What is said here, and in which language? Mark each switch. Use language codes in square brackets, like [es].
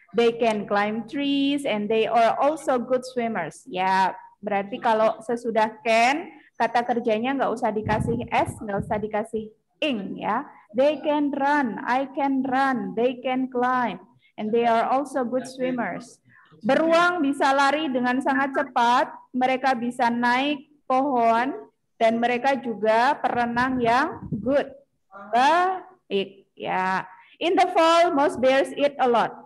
[en] They can climb trees and they are also good swimmers. [id] Ya, berarti kalau sesudah can, kata kerjanya nggak usah dikasih S, nggak usah dikasih ing ya. [en] They can run, I can run, they can climb, and they are also good swimmers. [id] Beruang bisa lari dengan sangat cepat, mereka bisa naik pohon, dan mereka juga perenang yang good. Baik, ya. [en] In the fall, most bears eat a lot.